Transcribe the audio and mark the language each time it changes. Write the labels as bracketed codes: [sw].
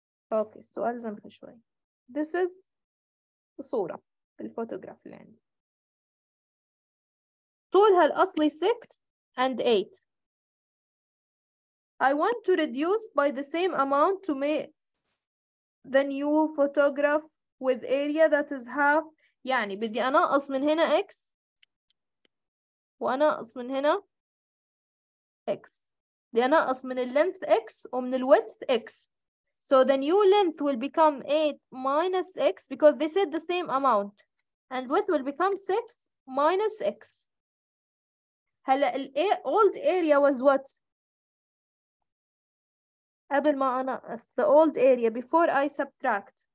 [en] Okay, so I'll zoom for sure. This is the صورة, the photograph land. [ar] طولها الأصلي 6 and 8. [en] I want to reduce by the same amount to make the new photograph with area that is half. [ar] يعني بدي أنقص من هنا X وأنقص من هنا X. بدي أنقص من length X ومن width X. [en] So the new length will become 8 minus x because they said the same amount. And width will become 6 minus x. [ar] هلا ال [en] old area was what? [ar] قبل ما أنقص. [en] The old area before I subtract.